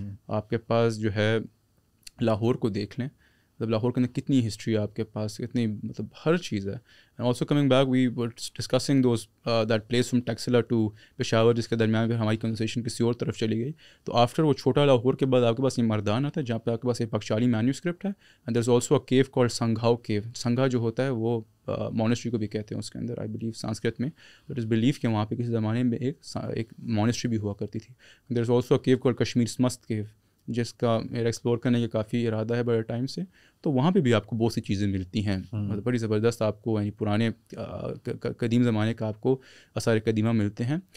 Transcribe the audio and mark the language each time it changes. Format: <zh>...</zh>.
<ur>آپ کے پاس جو ہے لاہور کو دیکھ لیں, مطلب لاہور کے اندر کتنی ہسٹری آپ کے پاس, کتنی مطلب ہر چیز ہے.</ur> <en>and also coming back, we were discussing those that place from Taxila to Peshawar,</en> <ur>جس کے درمیان پھر ہماری کنورسیشن کسی اور طرف چلی گئی. تو آفٹر وہ چھوٹا لاہور کے بعد آپ کے پاس یہ مردانہ تھا, جہاں پہ آپ کے پاس ایک بخشالی مینیوسکرپٹ ہے.</ur> <en>And there is also a cave called Sanghao cave.</en> <ur>سنگھا جو ہوتا ہے وہ مانسٹری کو بھی کہتے ہیں اس کے اندر,</ur> <en>I believe</en> <ur>سنسکرت میں.</ur> <en>it is believe</en> <ur>کہ وہاں پہ کسی زمانے میں ایک مانسٹری بھی ہوا کرتی تھی.</ur> <en>there is also a cave called Kashmir Smast cave,</en> <ur>جس کا میرا ایکسپلور کرنے کا کافی ارادہ ہے بڑے ٹائم سے. تو وہاں پہ بھی آپ کو بہت سی چیزیں ملتی ہیں, مطلب بڑی زبردست آپ کو یعنی پرانے قدیم زمانے کا آپ کو آثار قدیمہ ملتے ہیں.</ur>